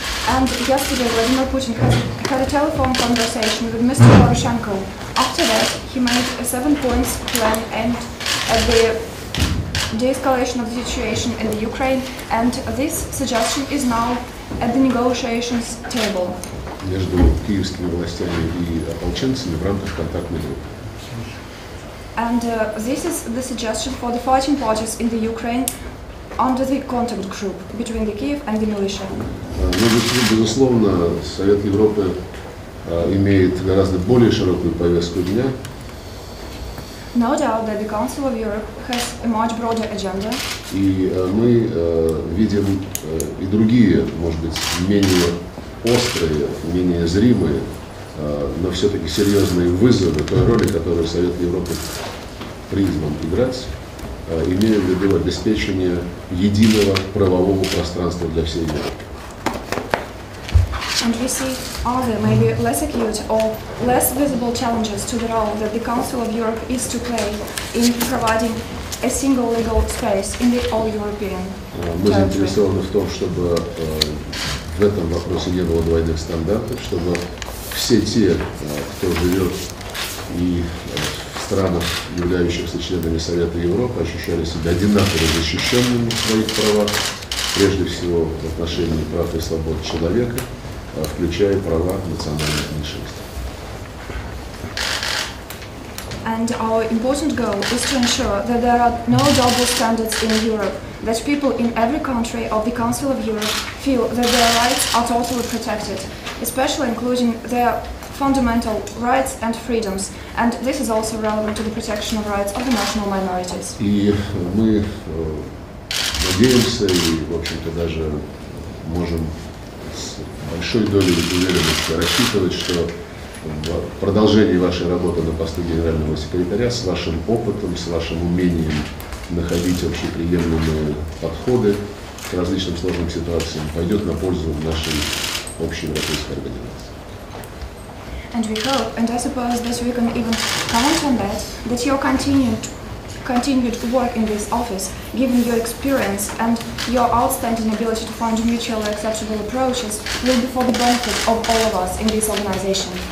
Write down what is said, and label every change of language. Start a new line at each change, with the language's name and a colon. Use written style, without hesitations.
English: And yesterday, Vladimir Putin had a telephone conversation with Mr. Poroshenko. After that, he made a 7-point plan aimed at the de-escalation of the situation in the Ukraine. And this suggestion is now at the negotiations table.
Russian: Между киевскими властями и ополченцами в рамках контактной группы.
English: And this is the suggestion for the fighting parties in the Ukraine under the contact group between the Kiev and the militia.
Russian: Безусловно, Совет Европы имеет гораздо более широкую повестку дня.
English: No doubt that the Council of Europe has a much broader agenda.
Russian: И мы видим и другие, может быть, менее острые, менее зримые, но все-таки серьезные вызовы той роли, которую Совет Европы призван играть, имея в виду обеспечение единого правового пространства для всей Европы.
English: And we see other, maybe less acute or less visible challenges to the role that the Council of Europe is to play in providing a single legal space in the all-European
Russian: Мы заинтересованы в том, чтобы в этом вопросе не было двойных стандартов, чтобы все те, кто живет и в странах, являющихся членами Совета Европы, ощущали себя одинаково защищенными в своих правах, прежде всего в отношении прав и свобод человека, включая права национальных меньшинств.
English: And our important goal is to ensure that there are no double standards in Europe, that people in every country of the Council of Europe feel that their rights are totally protected, especially including their fundamental rights and freedoms. And this is also relevant to the protection of rights of the national minorities.
Russian: И мы надеемся и, в общем-то, даже можем с большой долей уверенности рассчитывать, что в продолжении вашей работы на посту генерального секретаря с вашим опытом, с вашим умением находить общеприемлемые подходы к различным сложным ситуациям пойдет на пользу нашей общей европейской организации.
English: And we hope, and I suppose that we can even count on that, that your continued work in this office, given your experience and your outstanding ability to find mutually acceptable approaches, will be for the benefit of all of us in this organization.